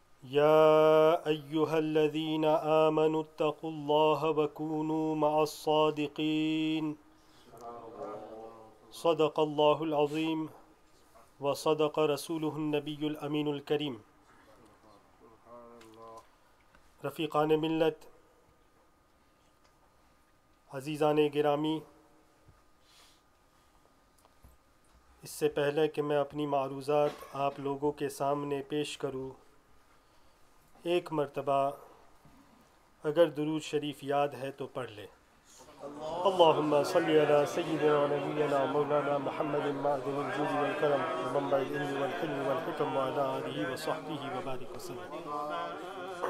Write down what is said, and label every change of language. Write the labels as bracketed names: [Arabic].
[Arabic] يا أيها الذين آمنوا اتقوا الله وكونوا مع الصادقين. صدق الله العظيم وصدق رسوله النبي الأمين الكريم. [Urdu] رفيقان ملت، عزیزان گرامی، اس سے پہلے کہ میں اپنی معروضات آپ لوگوں کے سامنے پیش کروں، ایک مرتبہ اگر درود شریف یاد ہے تو پڑھ لے. [Arabic] اللهم صل على سيدنا ونبينا مولانا محمد المعدن الجود والكرم ومنبع العلم والحلم والحكم وعلى آله وصحبه وبارك وسلم.